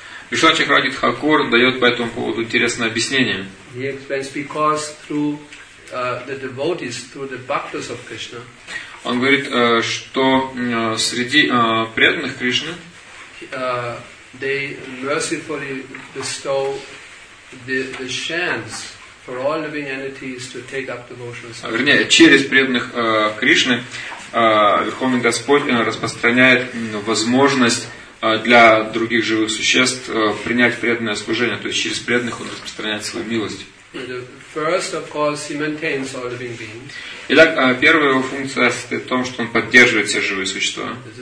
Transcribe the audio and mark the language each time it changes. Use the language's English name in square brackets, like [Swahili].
[Russian] Вишвана Чакравати Тхакур дает по этому поводу интересное объяснение. [English] He explains because through the devotees, through the bhaktas of Krishna. [Russian] Он говорит, что среди преданных Кришны [English] they mercifully bestow the chance for all living entities to take up devotional service. [Russian] Вернее, через преданных Кришны Верховный Господь распространяет возможность для других живых существ принять преданное служение, то есть через преданных он распространяет свою милость. Итак, первая его функция состоит в том, что он поддерживает все живые существа.